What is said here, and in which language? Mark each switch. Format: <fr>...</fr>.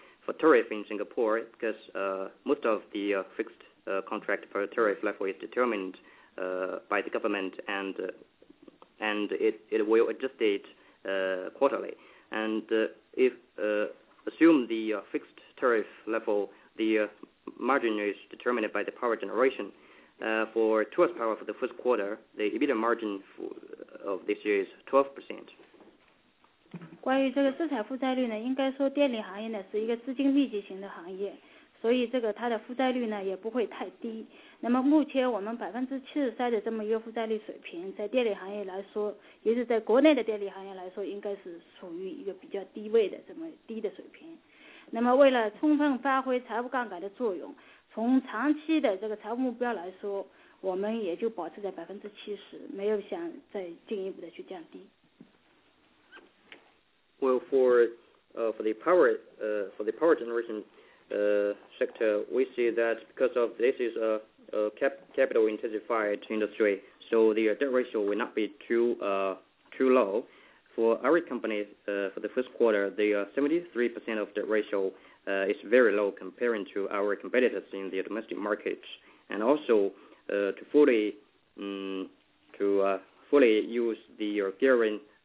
<en>For tariff in Singapore, because most of the fixed contract per tariff level is determined by the government, and it will adjust it quarterly. And if assume the fixed tariff level, the margin is determined by the power generation. For Truest Power for the first quarter, the EBITDA margin of this year is 12%.</en> <zh>关于这个资产负债率呢，应该说电力行业呢是一个资金密集型的行业，所以这个它的负债率呢也不会太低。那么目前我们73%的这么一个负债率水平，在电力行业来说，也是在国内的电力行业来说，应该是属于一个比较低位的这么低的水平。那么为了充分发挥财务杠杆的作用，从长期的这个财务目标来说，我们也就保持在70%，没有想再进一步的去降低。</zh> <en>Well, for the power generation sector, we see that because of this is a capital intensified industry, so the debt ratio will not be too low. For our company, for the first quarter, the 73% of debt ratio is very low comparing to our competitors in the domestic market, and also to fully use the gearing.</en>